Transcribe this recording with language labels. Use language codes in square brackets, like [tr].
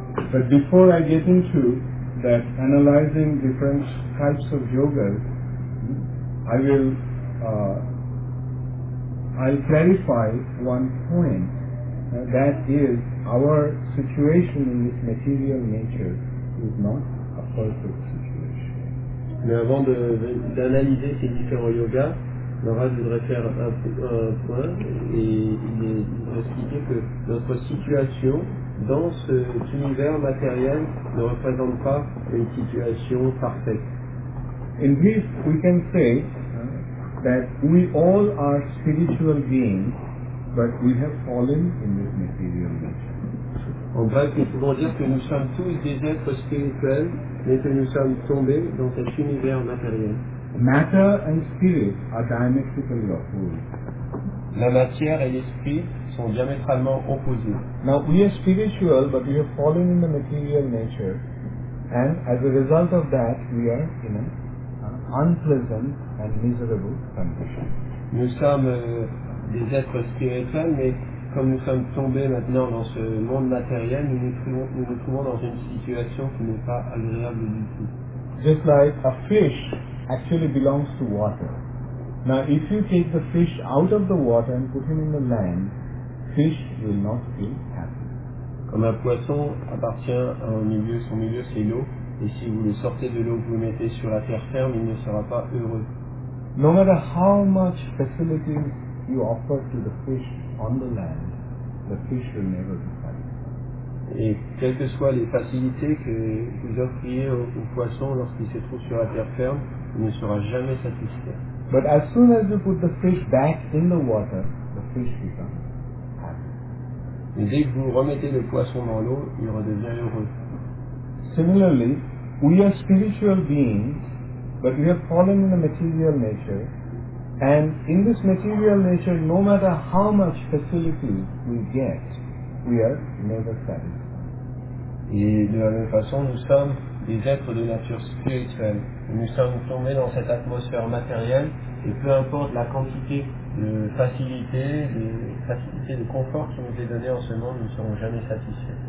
[en] But before I get into that analyzing different types of yoga, I'll clarify one point that is our situation in this material nature is not a perfect situation. [fr] Mais avant d'analyser ces différents yogas, Laura voudrait faire un point et expliquer que notre situation dans cet univers matériel ne représente pas une situation parfaite. [en] In this, we can say that we all are spiritual beings, but we have fallen in this material nature. [fr] En bref, nous pouvons dire que nous sommes tous des êtres spirituels, mais que nous sommes tombés dans cet univers matériel. [en] Matter and spirit are diametrically opposed. [fr] La matière et l'esprit sont diamétralement opposés. [en] Now we are spiritual, but we have fallen in the material nature, and as a result of that, we are in an unpleasant and miserable condition. [fr] Nous sommes des êtres spirituels, mais comme nous sommes tombés maintenant dans ce monde matériel, nous nous trouvons dans une situation qui n'est pas agréable du tout. [en] Just like a fish actually belongs to water. Now, if you take the fish out of the water and put him in the land, fish will not be happy. [fr] Comme un poisson appartient à un milieu, son milieu c'est l'eau, et si vous le sortez de l'eau, vous le mettez sur la terre ferme, il ne sera pas heureux. [en] No matter how much facilities you offer to the fish on the land, the fish will never be satisfied. [fr] Et quelles que soient les facilités que vous offriez au poisson lorsqu'il se trouve sur la terre ferme, il ne sera jamais satisfait. [en] But as soon as you put the fish back in the water, the fish becomes happy. [fr] Mais dès que vous remettez le poisson dans l'eau, il redevient heureux. [en] Similarly, we are spiritual beings, but we have fallen in a material nature. And in this material nature, no matter how much facility we get, we are never satisfied. [fr] Et de la même façon, nous sommes des êtres de nature spirituelle. Et nous sommes tombés dans cette atmosphère matérielle, et peu importe la quantité de facilité de confort qui nous est donnée en ce monde, nous ne serons jamais satisfaits.